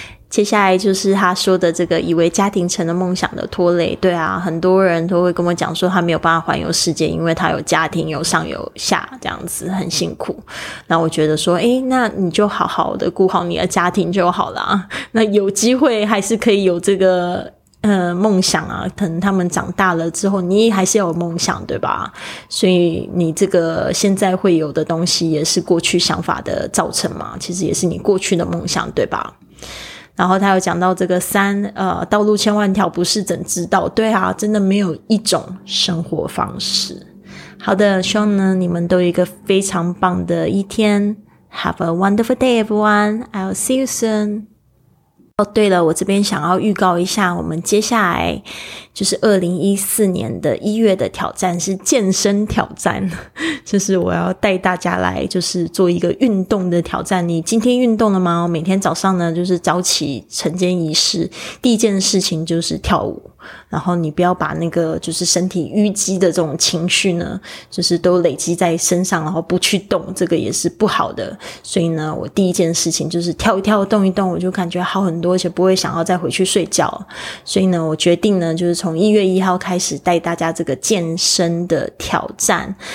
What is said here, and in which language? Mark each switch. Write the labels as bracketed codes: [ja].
[zh] 接下来就是他说的这个以为家庭成了梦想的拖累，对啊，很多人都会跟我讲说他没有办法环游世界，因为他有家庭有上有下这样子很辛苦，那我觉得说诶，那你就好好的顾好你的家庭就好啦，那有机会还是可以有这个梦想啊，可能他们长大了之后你还是要有梦想对吧，所以你这个现在会有的东西也是过去想法的造成嘛，其实也是你过去的梦想对吧。然后他有讲到这个三，道路千万条不是怎知道，对啊，真的没有一种生活方式。好的，希望呢你们都有一个非常棒的一天， [en] Have a wonderful day everyone, I'll see you soon。 [zh] 哦，对了，我这边想要预告一下，我们接下来就是2014年的1月的挑战是健身挑战，就是我要带大家来就是做一个运动的挑战。你今天运动了吗？我每天早上呢就是早起晨间仪式第一件事情就是跳舞，然后你不要把那个就是身体淤积的这种情绪呢就是都累积在身上然后不去动，这个也是不好的，所以呢我第一件事情就是跳一跳动一动，我就感觉好很多，而且不会想要再回去睡觉，所以呢我决定呢就是从1月1号开始带大家这个健身的挑战。